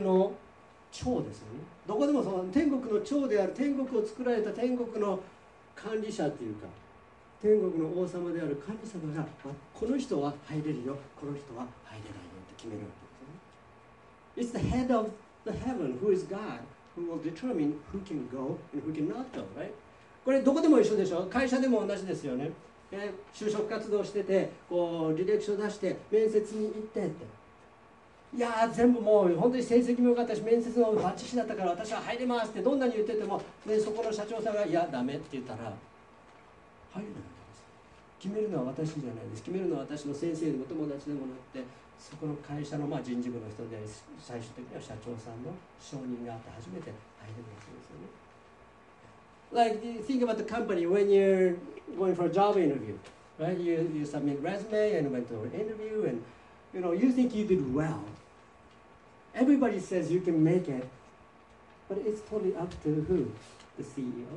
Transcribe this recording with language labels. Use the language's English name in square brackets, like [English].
[Japanese] 天国の長ですよね。どこでもその天国の長である、天国を作られた天国の管理者っていうか、天国の王様である神様が、まあ、この人は入れるよ、この人は入れないよって決めるわけですよね。 [English] It's the head of the heaven, who is God, who will determine who can go and who cannot go, right? [Japanese] これどこでも一緒でしょ、会社でも同じですよね。就職活動しててこう履歴書出して面接に行ってって、いや全部もう本当に成績も良かったし面接もバッチシだったから私は入れますってどんなに言っててもでそこの社長さんがいやダメって言ったら入れないんです。決めるのは私じゃないです。決めるのは私の先生でも友達でもなくてそこの会社のまあ人事部の人で最終的には社長さんの承認があって初めて入れるんですよね。 [English] Like you think about the company when you're going for a job interview, right? You submit resume and went to an interview andYou know, you think you did well. Everybody says you can make it, but it's totally up to who? The CEO of the company.